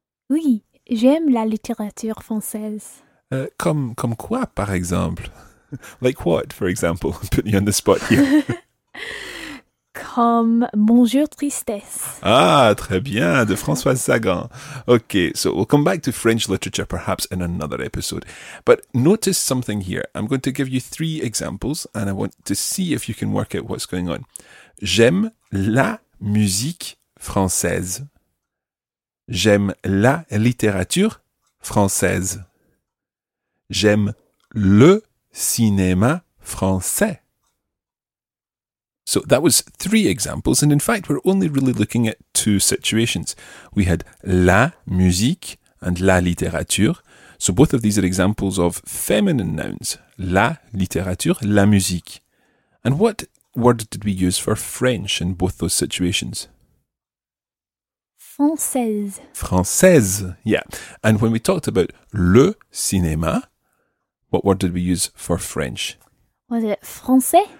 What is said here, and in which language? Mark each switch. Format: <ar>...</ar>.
<fr>Oui, j'aime la littérature française. Comme quoi, par exemple?</fr> <en>Like what, for example? Put me on the spot here.</en> <fr>Comme Bonjour Tristesse. Ah, très bien, de Françoise Sagan.</fr> <en>Okay, so we'll come back to French literature perhaps in another episode. But notice something here. I'm going to give you three examples and I want to see if you can work out what's going on.</en> <fr>J'aime la musique française. J'aime la littérature française. J'aime le cinéma français.</fr> <en>So that was three examples, and in fact, we're only really looking at two situations. We had la musique and la littérature. So both of these are examples of feminine nouns.</en> <fr>La littérature, la musique.</fr> <en>And what word did we use for French in both those situations?</en> <fr>Française. Française, yeah.</fr> <en>And when we talked about le cinéma, what word did we use for French? Was it français?</en>